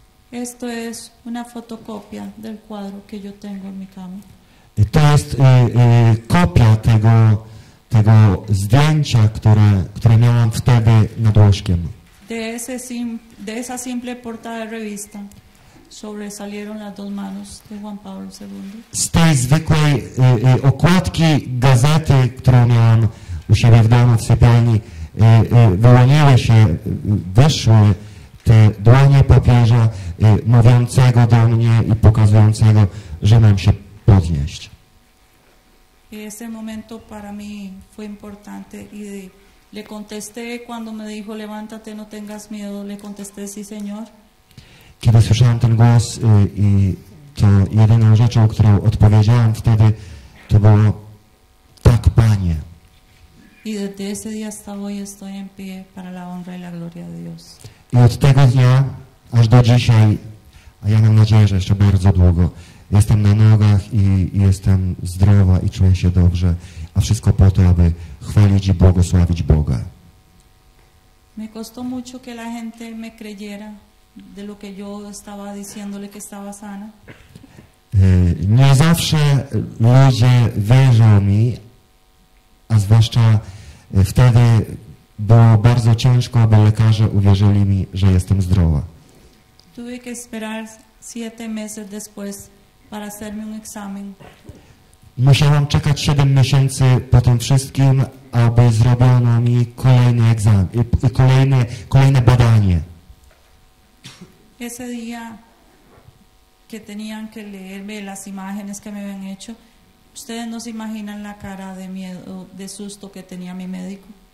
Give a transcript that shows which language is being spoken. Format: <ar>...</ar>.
<es>Esto es una fotocopia del cuadro que yo tengo en mi cama.</es> <pl>To jest kopia tego zdjęcia, które miałam wtedy nad łóżkiem.</pl> <es>De esa simple portada de revista sobresalieron las dos manos de Juan Pablo II.</es> <pl>Z tej zwykłej okładki gazety, którą miałam u siebie w domu, w sypialni, wyłoniły się, wyszły te dłonie papieża mówiącego do mnie i pokazującego, że mam się podnieść.</pl> <es>Ese momento para mí fue importante y le contesté cuando me dijo levántate, no tengas miedo, le contesté sí, señor.</es> <pl>Kiedy słyszałam ten głos i to jedyną rzeczą, którą odpowiedziałam wtedy, to było tak, Panie.</pl> <es>Y desde ese día hasta hoy estoy en pie para la honra y la gloria de Dios.</es> <pl>I od tego dnia aż do dzisiaj, a ja mam nadzieję, że jeszcze bardzo długo, jestem na nogach i jestem zdrowa i czuję się dobrze, a wszystko po to, aby chwalić i błogosławić Boga.</pl> <es>Me costó mucho que la gente me creyera de lo que yo estaba diciéndole que estaba sana.</es> <pl>Nie zawsze ludzie wierzą mi, a zwłaszcza wtedy było bardzo ciężko, aby lekarze uwierzyli mi, że jestem zdrowa.</pl> <es>Tuve que esperar 7 meses después para hacerme un examen.</es> <pl>Musiałam czekać 7 miesięcy po tym wszystkim, aby zrobiono mi kolejny egzamin, kolejne badanie.</pl> <es>Ese día que tenían que leerme las imágenes que me habían hecho. Ustedes no se imaginan la cara de miedo, de susto que tenía mi médico.</es>